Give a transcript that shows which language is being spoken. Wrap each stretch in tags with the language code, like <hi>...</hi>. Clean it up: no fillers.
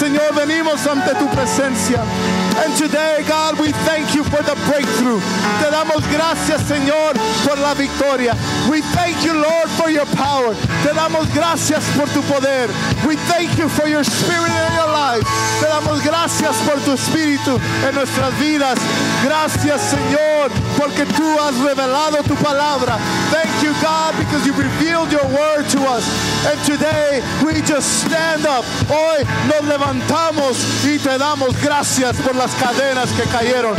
<es>Señor, venimos ante tu presencia.</es> <en>And today, God, we thank you for the breakthrough.</en> <es>Te damos gracias, Señor, por la victoria.</es> <en>We thank you, Lord, for your power.</en> <es>Te damos gracias por tu poder.</es> <en>We thank you for your spirit in our lives.</en> <es>Te damos gracias por tu espíritu en nuestras vidas. Gracias, Señor, porque tú has revelado tu palabra.</es> <en>Thank you, God, because you revealed your word to us. And today, we just stand up.</en> <es>Hoy nos levantamos y te damos gracias por las cadenas que cayeron.</es>